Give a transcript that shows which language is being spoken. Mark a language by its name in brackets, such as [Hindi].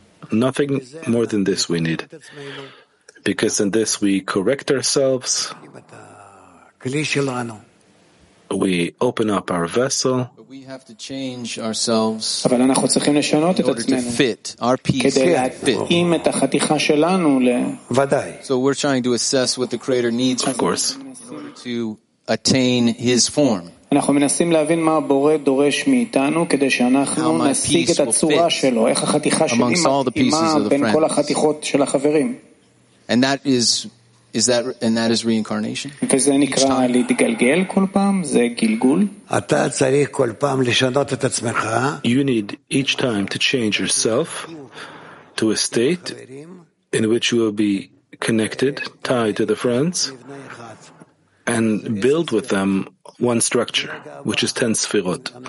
[English] Nothing more than this we need. Because in this we correct ourselves, we open up our vessel, but we have to change ourselves in order to fit our piece. So we're trying to assess what the Creator needs of course to attain His form. [Hebrew] אנחנו מנסים להבין מה הבורא דורש מאיתנו כדי שאנחנו נשיג את הצורה שלו, איך החתיכה שלי מתאימה בין כל החתיכות של החברים. [English] And that is that, and that is reincarnation. [Hebrew] וזה נקרא להתגלגל כל פעם, זה גלגול. אתה צריך כל פעם לשנות את עצמך. [English] You need each time to change yourself to a state in which you will be connected, tied to the friends, and build with them one structure, which is 10 sefirot.